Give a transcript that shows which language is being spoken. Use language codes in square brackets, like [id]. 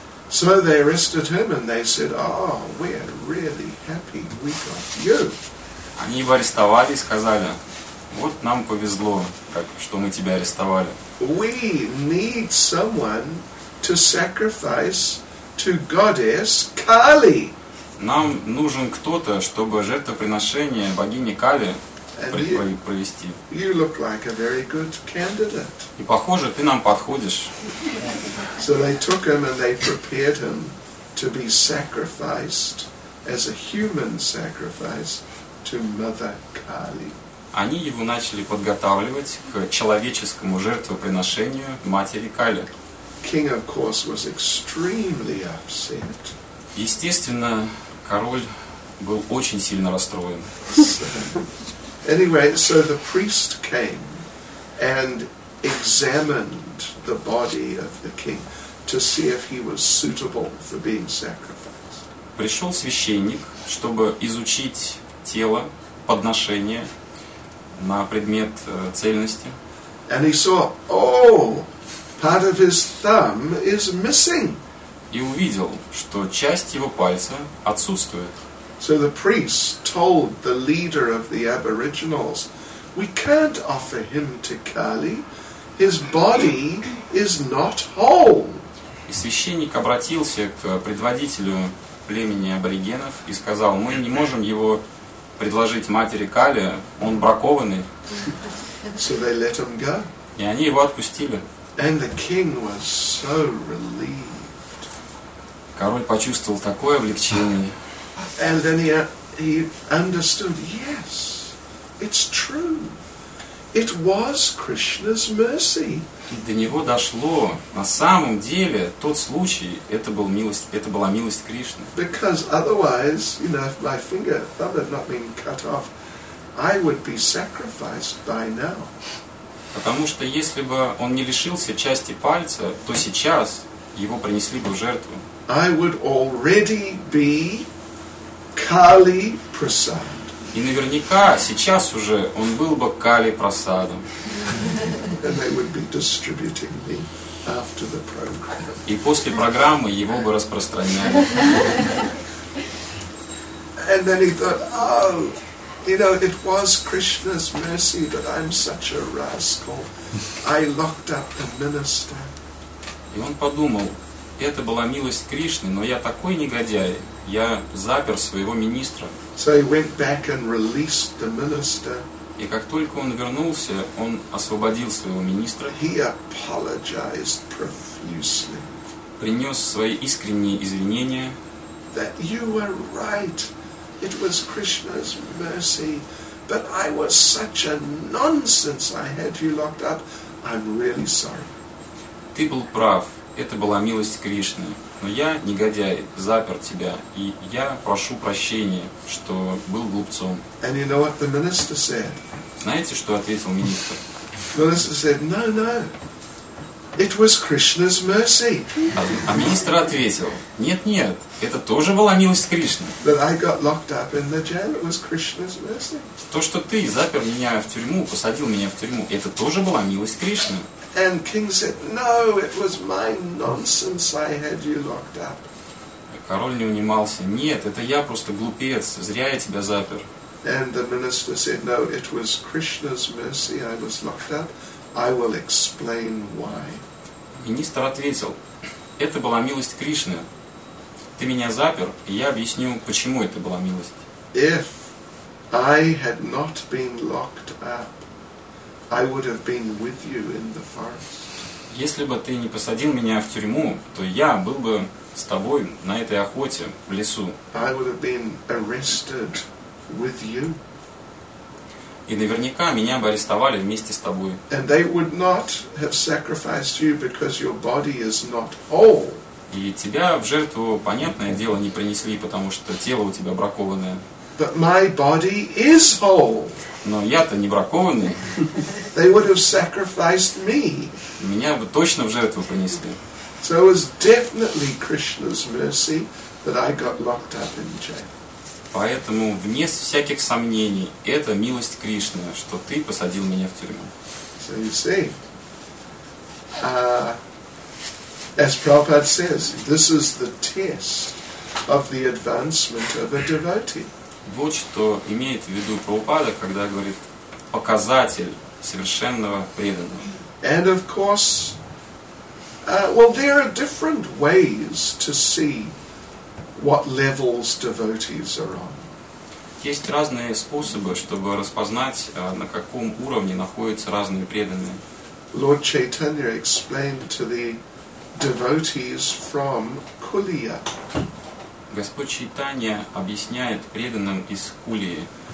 [en] So they arrested him and they said, oh, we're really happy we got you. [ru] Они его арестовали и сказали: вот нам повезло, что мы тебя арестовали. [en] We need someone to sacrifice to goddess Kali. [ru] Нам нужен кто-то, чтобы жертвоприношение богине Кали провести. [en] You look like a very good candidate. [ru] И похоже, ты нам подходишь. [en] So they took him and they prepared him to be sacrificed as a human sacrifice to Mother Kali. [ru] Они его начали подготавливать к человеческому жертвоприношению матери Кали. [en] King, of course, was extremely upset. [ru] Естественно, король был очень сильно расстроен. [en] Anyway, so the priest came and examined the body of the king to see if he was suitable for being sacrificed. [ru] Пришел священник, чтобы изучить тело подношения на предмет цельности. [en] And he saw, oh, part of his thumb is missing. [ru] И увидел, что часть его пальца отсутствует. [en] So the priest told the leader of the aboriginals, we can't offer him to Kali, his body is not whole. [ru] И священник обратился к предводителю племени аборигенов и сказал: мы не можем его предложить матери Кали, он бракованный. [en] So they let him go. [ru] И они его отпустили. [en] And the king was so relieved. [ru] Король почувствовал такое облегчение. [en] And then he understood, yes, it's true. It was Krishna's mercy. [ru] И до него дошло, на самом деле, тот случай, это была милость Кришны. [en] Because otherwise, you know, if my finger, thumb had not been cut off, I would be sacrificed by now. [ru] Потому что если бы он не лишился части пальца, то сейчас его принесли бы в жертву. [en] I would already be Kali Prasad. [ru] И наверняка сейчас уже он был бы Кали Прасадом. [en] And they would be distributing me after the program. [ru] И после программы его бы распространяли. [en] And then he thought, oh, you know, it was Krishna's mercy, but I'm such a rascal. I locked up the minister. [ru] И он подумал, это была милость Кришны, но я такой негодяй, я запер своего министра. [en] So he went back and released the minister. [ru] И как только он вернулся, он освободил своего министра. [en] He apologized profusely. [ru] Принес свои искренние извинения. [en] That you were right. It was Krishna's mercy, but I was such a nonsense. I had you locked up. I'm really sorry. [ru] Ты был прав. Это была милость Кришны. Но я, негодяй, запер тебя, и я прошу прощения, что был глупцом. [en] And you know what the minister said? [ru] Знаете, что ответил министр? [en] Minister said, no, no. It was Krishna's mercy. [ru] А министр ответил: нет, нет, это тоже была милость Кришны. [en] But I got locked up in the jail. It was Krishna's mercy. [ru] То, что ты запер меня в тюрьму, посадил меня в тюрьму, это тоже была милость Кришны. [en] And king said, no, it was my nonsense. I had you locked up. [ru] Король не унимался: нет, это я просто глупец, зря я тебя запер. [en] And the minister said, no, it was Krishna's mercy. I was locked up. I will explain why. [ru] Министр ответил: это была милость Кришны. Ты меня запер, и я объясню, почему это была милость. [en] If I had not been locked up, I would have been with you in the forest. [ru] Если бы ты не посадил меня в тюрьму, то я был бы с тобой на этой охоте в лесу. [en] I would have been arrested with you. [ru] И наверняка меня бы арестовали вместе с тобой. [en] And they would not have sacrificed you because your body is not whole. [ru] И тебя в жертву, понятное дело, не принесли, потому что тело у тебя бракованное. [en] But my body is whole. [ru] Но я-то не бракованный. [en] They would have sacrificed me. [ru] Меня бы точно в жертву принесли. [en] So it was definitely Krishna's mercy that I got locked up in jail. [ru] Поэтому, вне всяких сомнений, это милость Кришны, что ты посадил меня в тюрьму. [en] So you see, as Prabhupada says, this is the test of the advancement of a devotee. [ru] Вот что имеет в виду Прабхупада, когда говорит показатель совершенного преданного. [en] And of course, well, there are different ways to see what levels devotees are on. [ru] Есть разные способы, чтобы распознать, на каком уровне находятся разные преданные. [en] Lord Chaitanya explained to the devotees from Kuliya. [ru] Господь Чайтанья объясняет преданным из Кулии.